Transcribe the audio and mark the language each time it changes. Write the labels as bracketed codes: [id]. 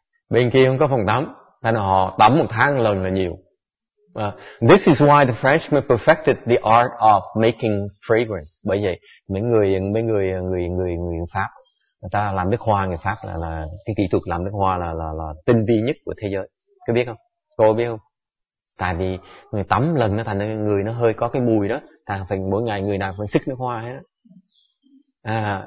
[vi] Bên kia không có phòng tắm. Tại họ tắm một tháng lần là nhiều. [en] This is why the Frenchman perfected the art of making fragrance. [vi] Bởi vậy, mấy người Pháp, người ta làm nước hoa, người Pháp là cái kỹ thuật làm nước hoa là tinh vi nhất của thế giới. Có biết không? Cô biết không? Tại vì người tắm lần nó thành người nó hơi có cái mùi đó, thành phần mỗi ngày người nào phải xức nước hoa hết.